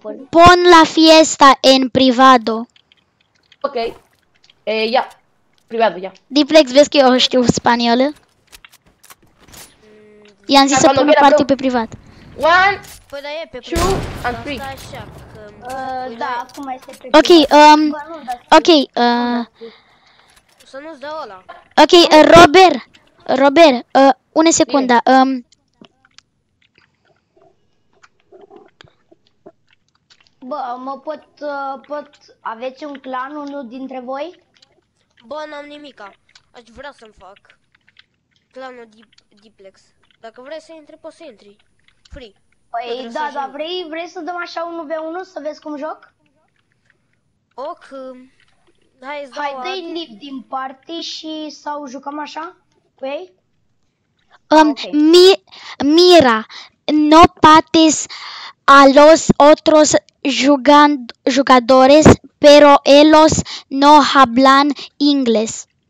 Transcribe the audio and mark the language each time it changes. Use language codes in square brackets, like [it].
[es] Pon la fiesta en privado. [ro] Ok. Ia. Privado, ia. Diplex, vezi că eu știu spaniolă? I-am zis să pun partii pe privat. [en] One, [ro] păi, da, e pe [en] two, [ro] privat. [en] And three. [ro] Așa, că, da, acum este pe ok, privat. Ok, Să nu-ți dă ăla. Ok, Robert. Robert, une secunda. Bă, pot aveți un clan, unul dintre voi? Bă, n-am nimica. Aș vrea să-mi fac clanul Diplex. Dacă vrei să intri, poți să intri. [en] Free. [ro] Păi, da, dar vrei să dăm așa 1v1 să vezi cum joc? Ok. Hai, dă-i leave din party și sau jucăm așa cu ei? [es] Mira, no pates a los otros jugadores, pero ellos no hablan inglés.